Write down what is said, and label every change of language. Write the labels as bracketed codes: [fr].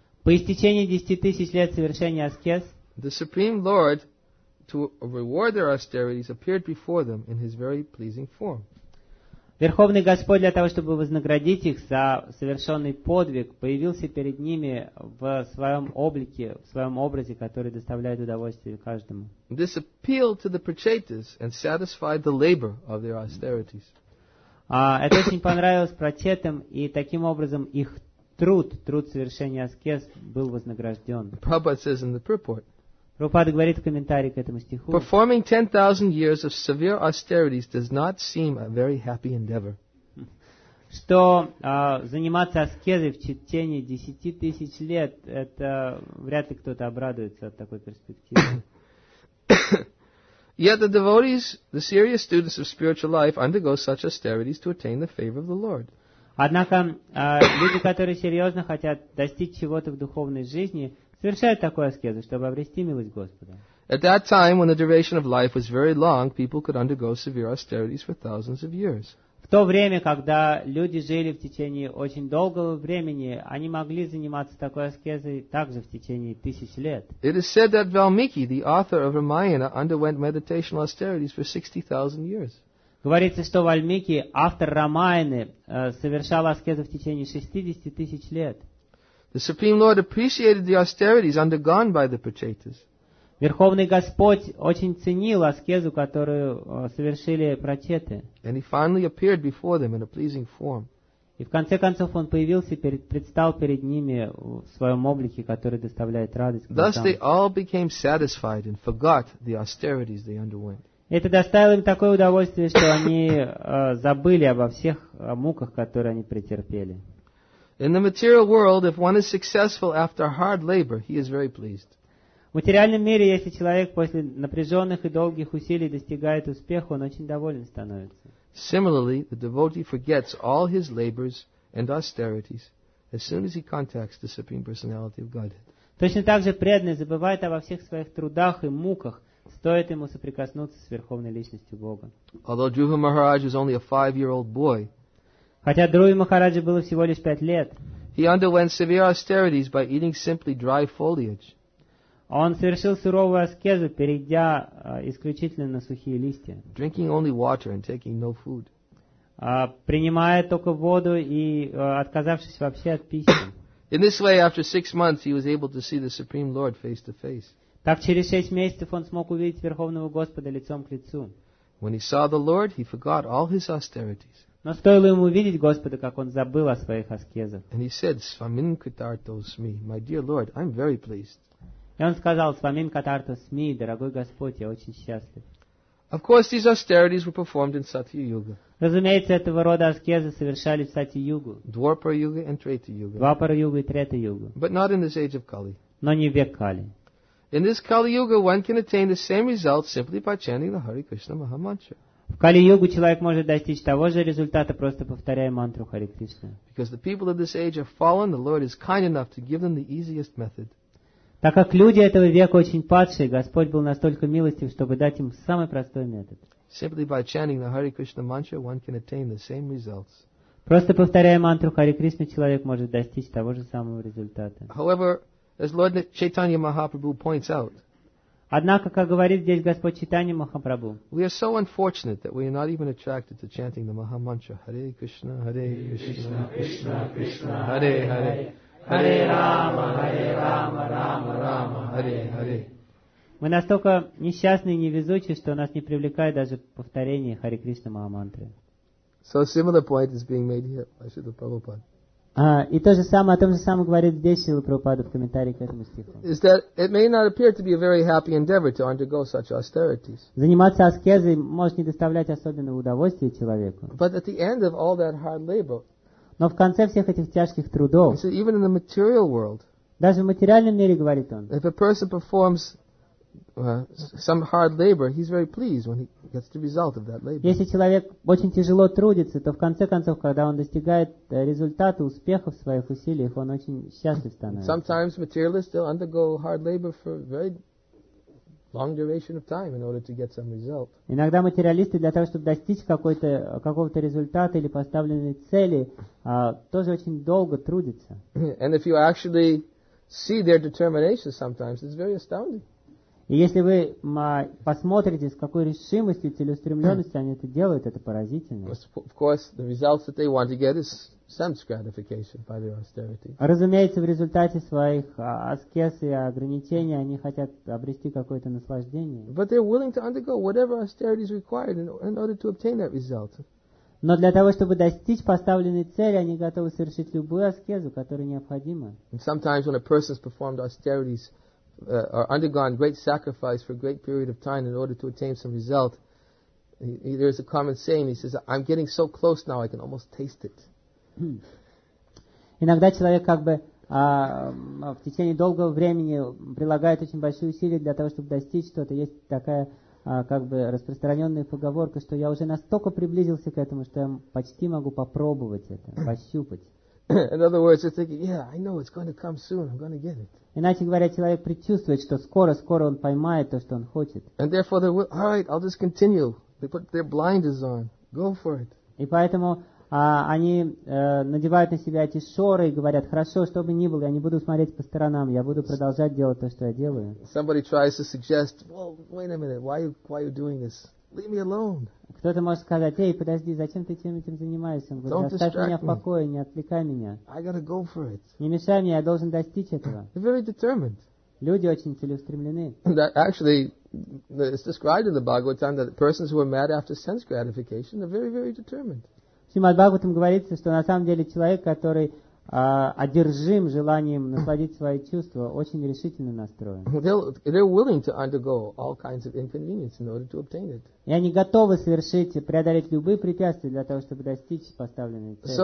[ru] по истечении 10 000 лет совершения аскез, [en] the Supreme Lord, to reward their austerities, appeared before them in His very pleasing form. [ru] Верховный Господь для того, чтобы вознаградить их за совершенный подвиг, появился перед ними в своем облике, в своем образе, который доставляет удовольствие каждому. [en] This appealed to the prachetas and satisfied the labor of their austerities. [ru] Это очень понравилось прачетам, и таким образом их труд совершения аскез был вознагражден. [en] Prabhupada says in the purport. [ru] Прабхупада говорит в комментарии к этому стиху. [en] Performing 10,000 years of severe austerities does not seem a very happy endeavor. [ru] Что заниматься аскезой в течение 10,000 лет, это вряд ли кто-то обрадуется от такой перспективы. [en] Yet the devotees, the serious students of spiritual life, undergo such austerities to attain the favor of the Lord. [ru] Однако люди, которые серьезно хотят достичь чего-то в духовной жизни, совершают такую аскезу, чтобы обрести милость Господа. [en] At that time, when the duration of life was very long, people could undergo severe austerities for thousands of years. [ru] В то время, когда люди жили в течение очень долгого времени, они могли заниматься такой аскезой также в течение тысяч лет. [en] It is said that Valmiki, the author of Ramayana, underwent meditational austerities for 60,000 years. [ru] Говорится, что Вальмики, автор Рамаяны, совершал аскезу в течение 60,000 лет. [en] The Supreme Lord appreciated the austerities undergone by the prachetas. [ru] Верховный Господь очень ценил аскезу, которую совершили прачеты. [en] And he finally appeared before them in a pleasing form. [ru] И в конце концов он появился, предстал перед ними в своем облике, который доставляет радость. [en] Thus they all became satisfied and forgot the austerities they underwent. [ru] Это доставило им такое удовольствие, что они забыли обо всех муках, которые они претерпели. [en] In the material world, if one is successful after hard labor, he is very pleased. [ru] В материальном мире, если человек после напряженных и долгих усилий достигает успеха, он очень доволен становится. [en] Similarly, the devotee forgets all his labors and austerities as soon as he contacts the Supreme Personality of Godhead. [ru] Точно так же преданный забывает обо всех своих трудах и муках, стоит ему соприкоснуться с Верховной Личностью Бога. [en] Although Dhruva Maharaj was only a 5-year-old boy, [ru] хотя Друви Махараджи было всего лишь 5 лет, [en] he underwent severe austerities by eating simply dry foliage. [ru] Он совершил суровую аскезу, перейдя исключительно на сухие листья. [en] Drinking only water and taking no food. [ru] Принимая только воду и отказавшись вообще от пищи. [en] In this way, after 6 months, he was able to see the Supreme Lord face to face. [ru] Так через 6 месяцев он смог увидеть Верховного Господа лицом к лицу. [en] When he saw the Lord, he forgot all his austerities. [ru] Но стоило ему увидеть Господа, как он забыл о своих аскезах. [en] And he said, [sa] Svamin Kritarto Smi, [en] my dear Lord, I'm very pleased. [ru] И он сказал, [sa] «Свамин катарто сми, [ru] дорогой Господь, я очень счастлив». [en] Of course, these austerities were performed in Satya-yuga. [ru] Разумеется, этого рода аскезы совершались в Сати-югу. [en] Двапара-юга and Трета-юга. [ru] Двапара-юга и Трета-юга. [en] But not in this age of Kali. [ru] Но не в век Кали. [en] In this Kali-yuga, one can attain the same result simply by chanting the Hare Krishna Maha-mantra. [ru] В Кали-югу человек может достичь того же результата, просто повторяя мантру Хари Кришна. [en] Because the people of this age have fallen, the Lord is kind enough to give them the easiest method. [ru] Так как люди этого века очень падшие, Господь был настолько милостив, чтобы дать им самый простой метод. [en] Simply by chanting the Hare Krishna mantra, one can attain the same results. [ru] Просто повторяя мантру Хари Кришна, человек может достичь того же самого результата. [en] However, as Lord Chaitanya Mahaprabhu points out, [ru] однако, как говорит здесь Господь Чайтанья Махапрабху, [en] we are so unfortunate that we are not even attracted to chanting the Maha mantra, Hare Krishna, Hare Krishna, Krishna Krishna, Hare Hare. Hare Rama, Hare Rama, Rama Rama, Hare Hare. [ru] Мы настолько несчастны и невезучи, что нас не привлекает даже повторение Хари Кришна Маха-мантры. [en] So a similar point is being made here by Śrīla Prabhupāda. [ru] И то же самое, о том же самом говорит здесь Śrīla Prabhupāda в комментарии к этому стиху. [en] Is that it may not appear to be a very happy endeavor to undergo such austerities. [ru] Заниматься аскезой может не доставлять особенного удовольствия человеку. [en] But at the end of all that hard labor, [ru] но в конце всех этих тяжких трудов, [en] so even in the material world, [ru] даже в материальном мире, говорит он, [en] if a person performs some hard labor, he's very pleased when he gets the result of that labor. [ru] Если человек очень тяжело трудится, то в конце концов, когда он достигает результата успеха в своих усилиях, он очень счастлив становится. [en] Sometimes materialists still undergo hard labor for very long duration of time in order to get some result. [ru] Иногда материалисты для того, чтобы достичь какого-то результата или поставленной цели, тоже очень долго трудятся. [en] And if you actually see their determination sometimes, it's very astounding. [ru] И если вы посмотрите, с какой решимостью и целеустремленностью они это делают, это поразительно. [en] Of course, the results that they want to get is sense gratification by their austerity. [ru] Разумеется, в результате своих аскез и ограничений они хотят обрести какое-то наслаждение. [en] But they're willing to undergo whatever austerity is required in order to obtain that result. [ru] Но для того, чтобы достичь поставленной цели, они готовы совершить любую аскезу, которая необходима. [en] And sometimes when a person's performed austerities or undergone great sacrifice for a great period of time in order to attain some result, there is a common saying, he says, I'm getting so close now, I can almost taste it. [ru] Иногда человек как бы в течение долгого времени прилагает очень большие усилия для того, чтобы достичь что-то. Есть такая как бы распространенная поговорка, что я уже настолько приблизился к этому, что я почти могу попробовать это, пощупать. [en] In other words, you're thinking, yeah, I know it's going to come soon. I'm going to get it. [ru] Иначе говоря, человек предчувствует, что скоро он поймает то, что он хочет. [en] And therefore, they will, all right, I'll just continue. They put their blinders on. Go for it. [ru] И поэтому они надевают на себя эти шоры и говорят, хорошо, что бы ни было, я не буду смотреть по сторонам, я буду продолжать делать то, что я делаю. [en] Somebody tries to suggest, well, wait a minute, why are you doing this? Leave me alone. [ru] Кто-то может сказать, эй, подожди, зачем ты чем этим занимаешься? Он говорит, оставь меня в покое, не отвлекай меня. [en] I gotta go for it. [ru] Не мешай мне, я должен достичь этого. [en] They're very determined. [ru] Люди очень целеустремлены. [en] That actually, it's described in the Bhagavatam that persons who are mad after sense gratification are very, very determined. [ru] В Шримад-Бхагаватам говорится, что на самом деле человек, который одержим желанием насладить свои чувства, очень решительно настроен. [en] They're willing to undergo all kinds of inconvenience in order to obtain it. [ru] И они готовы совершить, преодолеть любые препятствия для того, чтобы достичь поставленной цели.